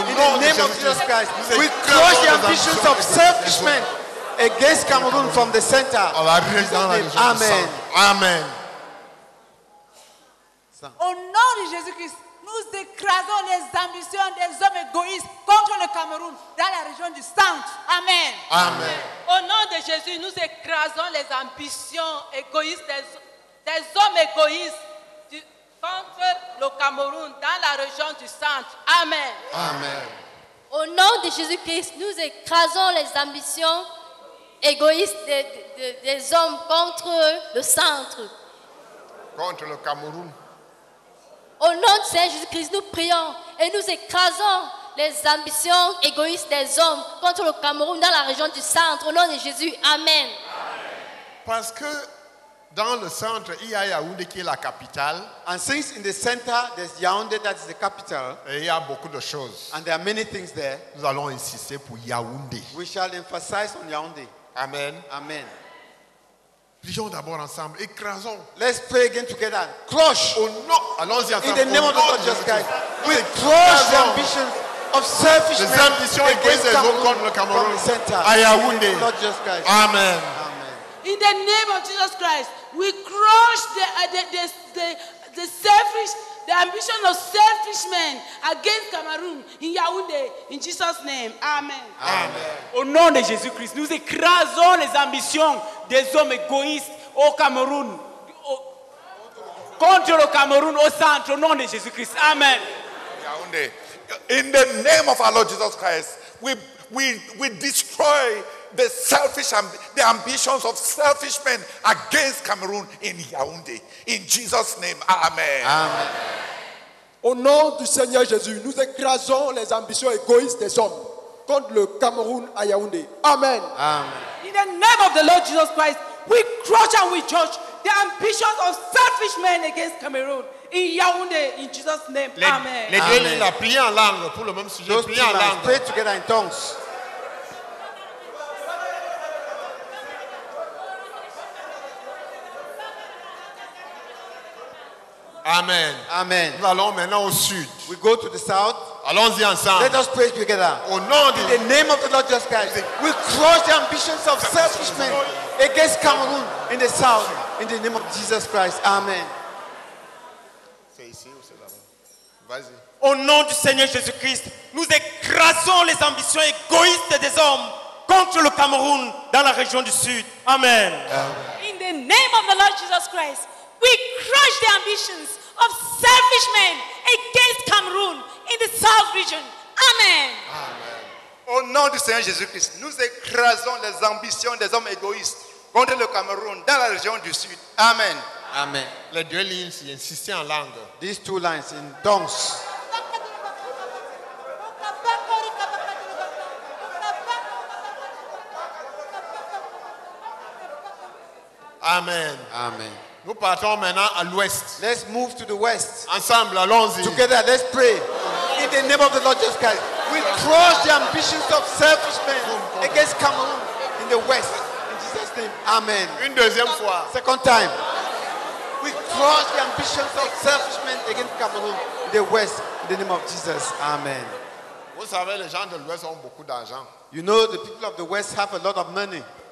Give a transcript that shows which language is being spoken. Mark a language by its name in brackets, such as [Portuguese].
[English] In the name of Jesus Christ, we crush the ambitions of selfish men against Cameroon from the center. Amen. Amen. [French] Au nom de Jésus-Christ, nous écrasons les ambitions des hommes égoïstes contre le Cameroun dans la région du centre. Amen. Amen. Au nom de Jésus, nous écrasons les ambitions égoïstes des hommes égoïstes contre le Cameroun dans la région du centre. Amen. Amen. Au nom de Jésus-Christ, nous écrasons les ambitions égoïstes des hommes contre le centre. Contre le Cameroun. Au nom de Jésus-Christ, nous prions et nous écrasons les ambitions égoïstes des hommes contre le Cameroun dans la région du centre. Au nom de Jésus, amen. Parce que dans le centre, il y a Yaoundé qui est la capitale. [English] And since in the center, there's Yaoundé that is the capital. [French] Et il y a beaucoup de choses. [English] And there are many things there. [French] Nous allons insister pour Yaoundé. [English] We shall emphasize on Yaoundé. Amen. Amen. [French] Prions d'abord ensemble. Écrasons. [English] Let's pray again together. Crush. Oh no. [French] Allons-y ensemble. [English] In the name of the Lord Jesus Christ, we crush the ambitions of selfish men. [French] Les ambitions égoïstes des hommes contre le Cameroun. [English] From the center. [French] À Yaoundé. [English] Lord Jesus Christ. Amen. In the name of Jesus Christ, we crush the selfish, the ambition of selfish men against Cameroon in Yaoundé, in Jesus' name. Amen. Amen. [French] Au nom de Jésus Christ, nous écrasons les ambitions des hommes égoïstes au Cameroun, contre le Cameroun au centre, au nom de Jésus Christ. Amen. Yaoundé. [English] In the name of our Lord Jesus Christ, we destroy the selfish the ambitions of selfish men against Cameroon in Yaoundé. In Jesus' name, amen. Amen. [French] Au nom du Seigneur Jésus, nous écrasons les ambitions égoïstes des hommes contre le Cameroun à Yaoundé. Amen. Amen. [English] In the name of the Lord Jesus Christ, we crush and we judge the ambitions of selfish men against Cameroon in Yaoundé, in Jesus' name. Amen. [French] Les deux lignes, prier en langue pour le même sujet. Prier en langue. [English] Pray together in tongues. Amen. Amen. [French] Nous allons maintenant au sud. [English] We go to the south. [French] Allons-y ensemble. [English] Let us pray together. [French] Au nom [English] in the name of the Lord Jesus Christ, we crush the ambitions of selfish men against Cameroon in the south. In the name of Jesus Christ. Amen. [French] C'est ici ou c'est là-bas? Vas-y. Au nom du Seigneur Jésus Christ, nous écrasons les ambitions égoïstes des hommes contre le Cameroun dans la région du sud. Amen. [English] In the name of the Lord Jesus Christ, we crush the ambitions of selfish men against Cameroon in the south region. Amen. Amen. [French] Au nom du Seigneur Jésus Christ, nous écrasons les ambitions des hommes égoïstes contre le Cameroun dans la région du sud. Amen. Amen. Les deux lignes, il insistait en langue. [English] These two lines in tongues. Amen. Amen. [French] Nous partons maintenant à l'ouest. [English] Let's move to the west. [French] Ensemble, allons-y. [English] Together, let's pray. In the name of the Lord Jesus Christ, we crush the ambitions of selfish men against Cameroon in the west. In Jesus' name. Amen. [French] Une deuxième fois. [English] Second time. We crush the ambitions of selfish men against Cameroon in the west. In the name of Jesus. Amen. [French] Vous savez, les gens de l'ouest ont beaucoup d'argent. [English] You know, the people of the west have a lot of money.